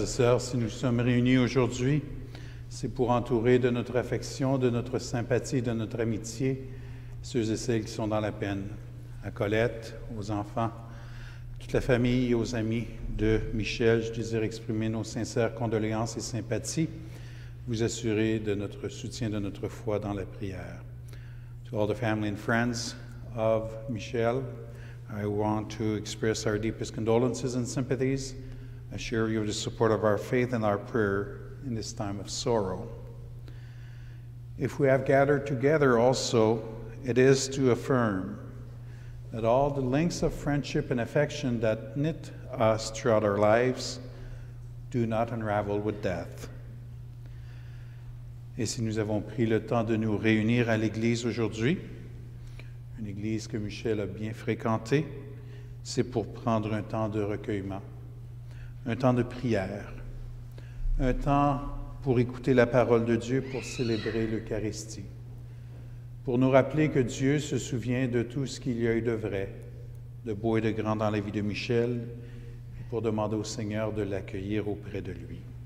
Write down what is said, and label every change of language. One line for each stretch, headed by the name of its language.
French: et sœurs, si nous sommes réunis aujourd'hui, c'est pour entourer de notre affection, de notre sympathie, de notre amitié, ceux et celles qui sont dans la peine, à Colette, aux enfants, toute la famille et aux amis de Michel. Je désire exprimer nos sincères condoléances et sympathies, vous assurer de notre soutien, de notre foi dans la prière.
English: To all the family and friends of Michel, I want to express our deepest condolences and sympathies. Assure you of the support of our faith and our prayer in this time of sorrow. If we have gathered together also, it is to affirm that all the links of friendship and affection that knit us throughout our lives do not unravel with death.
French: Et si nous avons pris le temps de nous réunir à l'église aujourd'hui, une église que Michel a bien fréquentée, c'est pour prendre un temps de recueillement. Un temps de prière, un temps pour écouter la parole de Dieu, pour célébrer l'Eucharistie, pour nous rappeler que Dieu se souvient de tout ce qu'il y a eu de vrai, de beau et de grand dans la vie de Michel, pour demander au Seigneur de l'accueillir auprès de lui.